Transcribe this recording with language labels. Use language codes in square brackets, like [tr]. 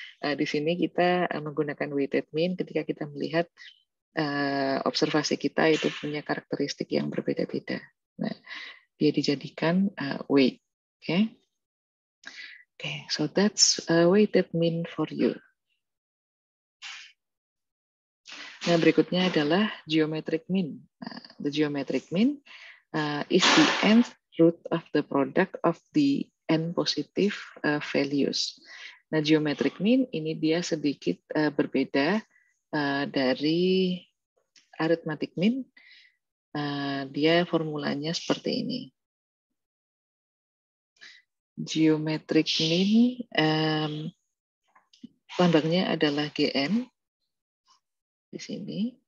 [id] Di sini kita menggunakan weighted mean ketika kita melihat observasi kita itu punya karakteristik yang berbeda-beda. Nah, dia dijadikan weight. Okay. [en] Okay, so that's weighted mean for you. [id] Nah, berikutnya adalah geometric mean. [en] The geometric mean is the nth root of the product of the n positive values. [id] Nah, geometric mean ini dia sedikit berbeda dari arithmetic mean. Dia formulanya seperti ini. Geometric mean lambangnya adalah GM di sini.